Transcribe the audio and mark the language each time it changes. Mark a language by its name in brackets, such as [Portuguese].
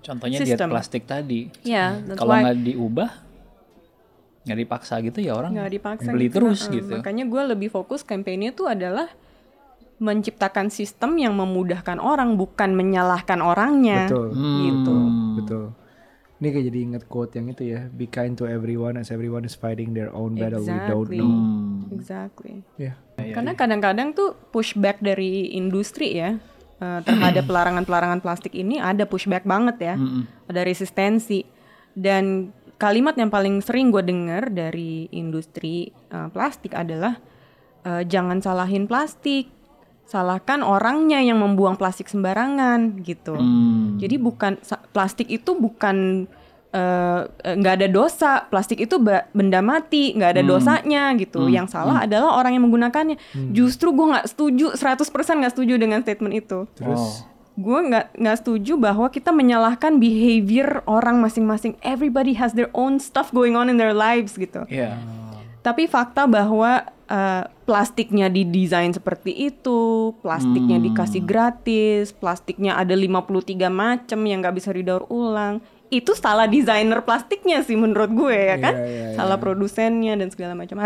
[Indonesian] Contohnya diet plastik tadi. Iya, kalau nggak diubah, nggak dipaksa gitu ya orang beli gitu, terus gitu. Makanya gue lebih fokus kampanye tuh adalah menciptakan sistem yang memudahkan orang, bukan menyalahkan orangnya. Betul. Ini kayak jadi ingat quote yang itu ya, [English] be kind to everyone as everyone is fighting their own battle we don't know. Exactly. Yeah. [Indonesian] Karena kadang-kadang tuh pushback dari industri ya, terhadap pelarangan-pelarangan plastik ini ada pushback banget ya, ada resistensi. Dan kalimat yang paling sering gue dengar dari industri plastik adalah, jangan salahin plastik, salahkan orangnya yang membuang plastik sembarangan gitu. Jadi bukan plastik itu bukan nggak ada dosa, plastik itu benda mati, nggak ada dosanya gitu. Yang salah adalah orang yang menggunakannya. Justru gue nggak setuju, 100% nggak setuju dengan statement itu. Terus gue nggak setuju bahwa kita menyalahkan behavior orang masing-masing. [English] Everybody has their own stuff going on in their lives [Indonesian] gitu. Tapi fakta bahwa plastiknya didesain seperti itu, plastiknya dikasih gratis, plastiknya ada 53 macam yang gak bisa didaur ulang, itu salah desainer plastiknya sih menurut gue ya kan, salah produsennya dan segala macam.